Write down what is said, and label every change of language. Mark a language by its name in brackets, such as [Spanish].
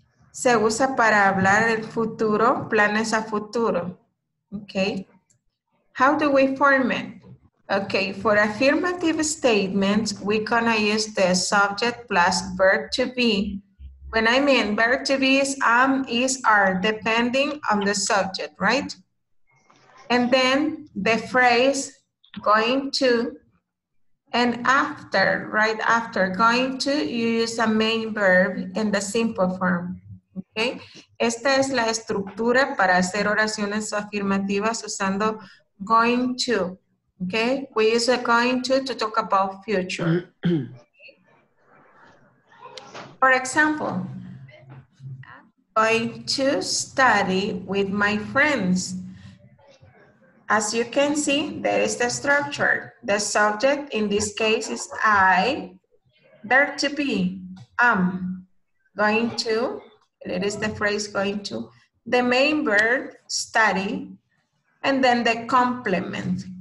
[Spanish] Se usa para hablar el futuro, planes a futuro, okay? [English] How do we form it? Okay, for affirmative statements, we're gonna use the subject plus verb to be. When I mean verb to be is am, is, are, depending on the subject, right? And then the phrase going to, and after, right after going to, you use a main verb in the simple form, okay? [Spanish] Esta es la estructura para hacer oraciones afirmativas usando going to. [English] Okay, we use going to talk about future. For example, I'm going to study with my friends. As you can see, there is the structure. The subject in this case is I, there to be, am, going to, it is the phrase going to, the main verb, study, and then the complement.